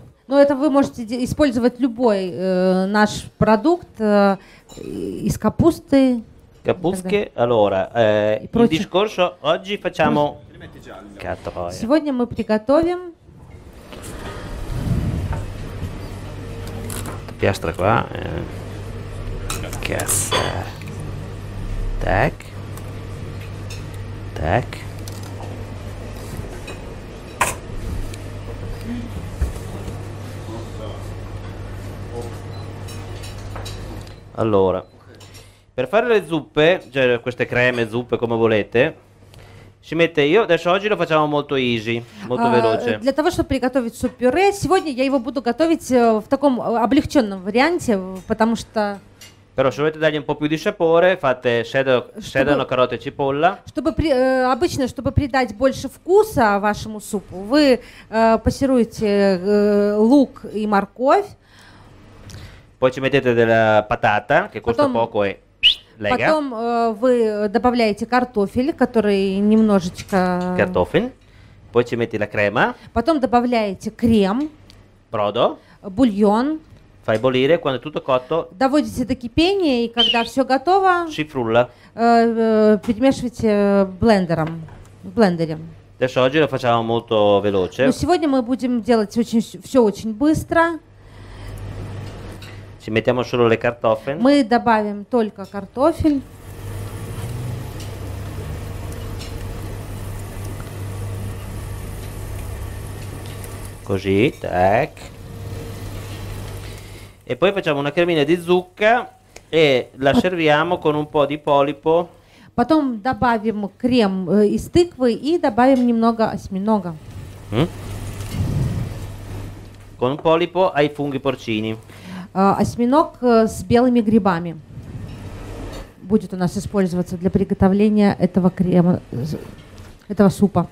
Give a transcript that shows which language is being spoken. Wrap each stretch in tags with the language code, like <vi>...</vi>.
<ru>Но это вы можете использовать любой наш продукт из капусты. Капустки.</ru> <it>Allora, il discorso oggi facciamo.</it> <ru>Сегодня мы приготовим.</ru> <it>Piastra qua. Cazzo.</it> <ru>Так. Так.</ru> <it>Allora, per fare le zuppe, cioè queste creme, zuppe, come volete, si mette io, adesso oggi lo facciamo molto easy, molto veloce.</it> <ru>Для того, чтобы приготовить суп-пюре, сегодня я его буду готовить в таком облегченном варианте, потому что...</ru> <it>Però se volete dargli un po' più di sapore, fate sedano, carote, cipolla.</it> <ru>Обычно, чтобы придать больше вкуса вашему супу, вы пассируете лук и морковь.</ru> <it>Poi ci mettete della patata, che costa poco e lega.</it> <ru>Потом вы добавляете картофель, который немножечко...</ru> <it>Картофель. Poi ci metti la crema.</it> <ru>Потом добавляете крем.</ru> <it>Brodo.</it> <ru>Бульон.</ru> <it>Fai bollire, quando è tutto cotto...</it> <ru>Доводите до кипения, и когда все готово...</ru> <it>Si frulla.</it> <ru>Перемешивайте блендером.</ru> <it>Adesso oggi lo facciamo molto veloce.</it> <ru>Но сегодня мы будем делать все очень быстро.</ru> <it>Ci mettiamo solo le cartofen.</it> <ru>Мы добавим только картофель.</ru> <it>Ecco. così, tac. E poi facciamo una cremina di zucca e la serviamo con un po' di polipo.</it> <ru>Потом добавим крем из тыквы и добавим немного осьминога.</ru> <it>Con un polipo ai funghi porcini.</it> <ru>Осьминог с белыми грибами будет у нас использоваться для приготовления этого крема, этого супа.</ru>